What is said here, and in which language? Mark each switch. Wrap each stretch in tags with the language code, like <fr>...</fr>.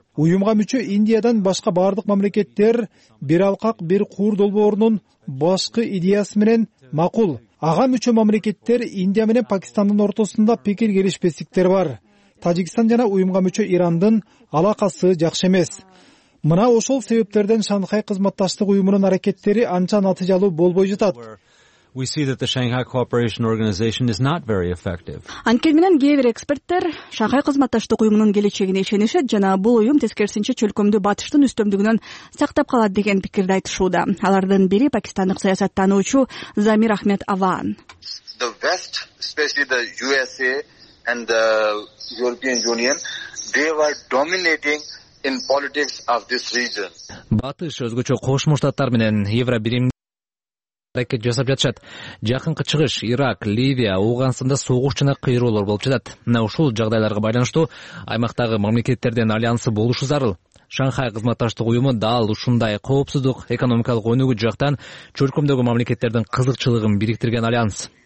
<ky>Уюмга мүчө Индиядан башка бардык мамлекеттер бир алкак бир куур долбоорунун башкы идеясы менен макул. Ага мүчө мамлекеттер Индия менен Пакистандын ортосунда пикир келишпестиктер бар. Тажикстан жана уюмга мүчө Ирандын алакасы жакшы эмес. Мына ошол себептерден Шанхай кызматташтык уюмунун аракеттери анча натыйжалуу болбой жатат.</ky> <en>We see that the Shanghai Cooperation Organization is not very effective.</en> <ky>Анткени менен кээ бир эксперттер Шанхай кызматташтык уюмунун келечегине ишенишет жана бул уюм тескерисинче чөлкөмдү батыштын үстөмдүгүнөн сактап калат деген пикирди айтышууда. Алардын бири пакистандык саясаттануучу Замир Ахмед Аван.</ky> <en>The West, especially the USA and the European Union, they were dominating in politics of this region.</en> <ky>Батыш өзгөчө Кошмо Штаттар менен Евробиримдин аракет жасап жатышат. Жакынкы чыгыш, Ирак, Ливия, Ауганстанда согуш жана кыйроолор болуп жатат. Мына ушул жагдайларга байланыштуу аймактагы мамлекеттердин альянсы болушу зарыл. Шанхай кызматташтык уюму дал ушундай коопсуздук, экономикалык өнүгүү жактан чөлкөмдөгү мамлекеттердин кызыкчылыгын бириктирген альянс.</ky>